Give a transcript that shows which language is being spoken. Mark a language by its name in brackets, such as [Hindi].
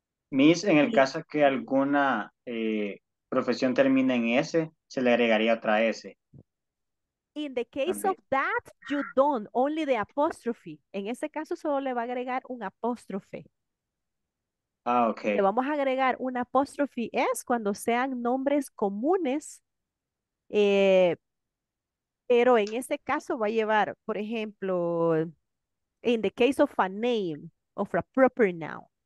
[Spanish] Miss, en el caso que alguna profesión termine en S, se le agregaría otra S. [English] In the case of that, you don't, only the apostrophe. [Spanish] En ese caso, solo le va a agregar un apóstrofe. Ah, ok. Le vamos a agregar un apóstrofe es cuando sean nombres comunes, pero en ese caso va a llevar, por ejemplo, [English] in the case of a name, of a proper noun.